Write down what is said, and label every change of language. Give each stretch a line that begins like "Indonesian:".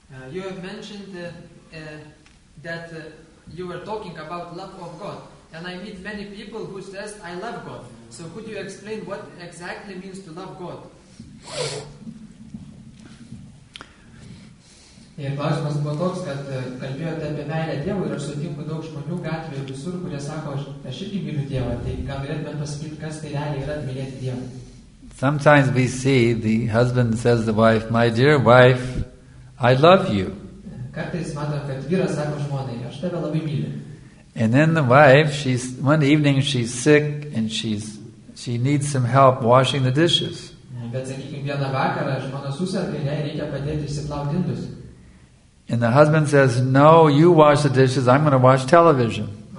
English: You have mentioned that you were talking about love of God, and I meet many people who says I love God. So could you explain what exactly means to love God?
Lithuanian: Ir klausimas buvo toks, kad kalbėjote apie meilę Dievui ir aš sutinku daug žmonių gatvėje visur, kurie sako, aš irgi myliu Dievą, tai ką galėtumėt pasakyti, kas tai realiai yra mylėti Dievą.
English: Sometimes we see the husband says to the wife, my dear wife, I love you.
Lithuanian: Kartais matom, kad vyras sako žmonai, aš tave labai myliu.
English: And then the wife, she's, one evening she's sick and she needs some help washing the dishes.
Lithuanian: Bet sakykime, vieną vakarą žmona susirga ir jai reikia padėti išsiplauti indus.
English: And the husband says, no, you wash the dishes, I'm going to watch television.